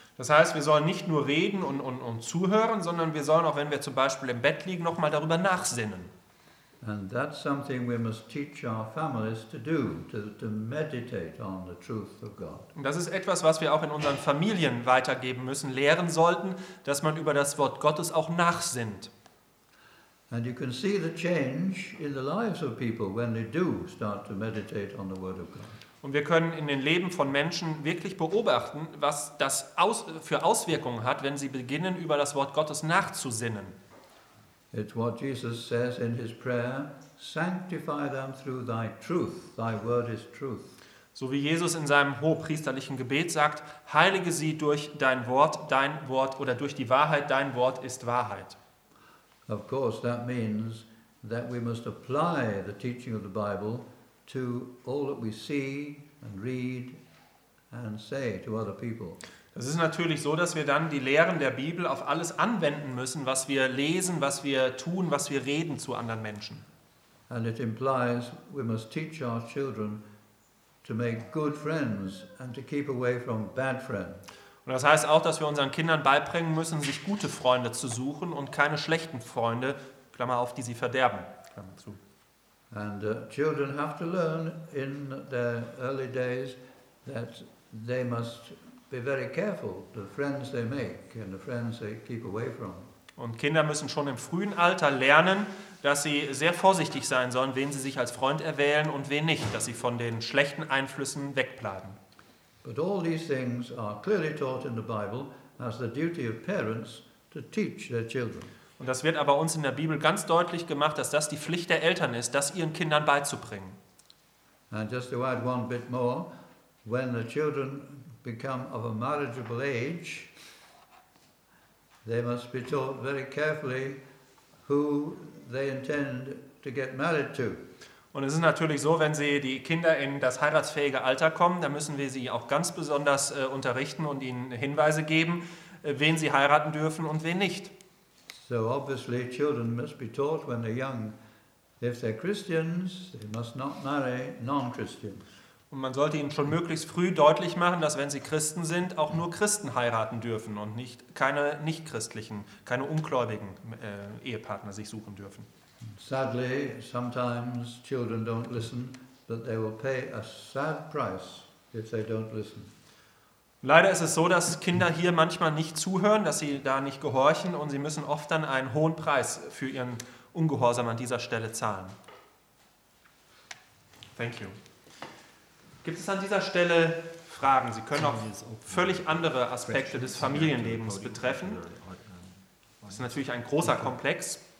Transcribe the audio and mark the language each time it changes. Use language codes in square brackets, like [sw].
[de] Das heißt, wir sollen nicht nur reden und zuhören, sondern wir sollen auch, wenn wir zum Beispiel im Bett liegen, nochmal darüber nachsinnen. [en] And that's something we must teach our families to do, to meditate on the truth of God. [de] Und das ist etwas, was wir auch in unseren Familien weitergeben müssen, lehren sollten, dass man über das Wort Gottes auch nachsinnt. [en] And you can see the change in the lives of people when they do start to meditate on the word of God. [de] Und wir können in den Leben von Menschen wirklich beobachten, was das für Auswirkungen hat, wenn sie beginnen, über das Wort Gottes nachzusinnen. [en] It's what Jesus says in his prayer, sanctify them through thy truth, thy word is truth. [de] So wie Jesus in seinem hohepriesterlichen Gebet sagt, heilige sie durch dein Wort oder durch die Wahrheit, dein Wort ist Wahrheit. [en] Of course that means that we must apply the teaching of the Bible to all that we see and read and say to other people. [de] Es ist natürlich so, dass wir dann die Lehren der Bibel auf alles anwenden müssen, was wir lesen, was wir tun, was wir reden zu anderen Menschen. [en] And it implies we must teach our children to make good friends and to keep away from bad friends. [de] Und das heißt auch, dass wir unseren Kindern beibringen müssen, sich gute Freunde zu suchen und keine schlechten Freunde, Klammer auf, die sie verderben, Klammer zu. [en] And children have to learn in their early days that they must be very careful the friends they make and the friends they keep away from. [de] Und Kinder müssen schon im frühen Alter lernen, dass sie sehr vorsichtig sein sollen, wen sie sich als Freund erwählen und wen nicht, dass sie von den schlechten Einflüssen wegbleiben. [en] But all these things are clearly taught in the Bible as the duty of parents to teach their children. [de] Und das wird aber uns in der Bibel ganz deutlich gemacht, dass das die Pflicht der Eltern ist, das ihren Kindern beizubringen. [en] And just to add one bit more, when the children become of a marriageable age, they must be taught very carefully who they intend to get married to. [de] Und es ist natürlich so, wenn sie die Kinder in das heiratsfähige Alter kommen, dann müssen wir sie auch ganz besonders unterrichten und ihnen Hinweise geben, wen sie heiraten dürfen und wen nicht. [en] So obviously children must be taught when they're young, if they're Christians, they must not marry non-Christians. [de] Und man sollte ihnen schon möglichst früh deutlich machen, dass wenn sie Christen sind, auch nur Christen heiraten dürfen und nicht, keine nichtchristlichen, keine ungläubigen Ehepartner sich suchen dürfen. [en] Sadly, sometimes children don't listen, but they will pay a sad price if they don't listen. [de] Leider ist es so, dass Kinder hier manchmal nicht zuhören, dass sie da nicht gehorchen und sie müssen oft dann einen hohen Preis für ihren Ungehorsam an dieser Stelle zahlen. [en] Thank you. [de] Gibt es an dieser Stelle Fragen? Sie können auch völlig andere Aspekte des Familienlebens betreffen. Das ist natürlich ein großer Komplex.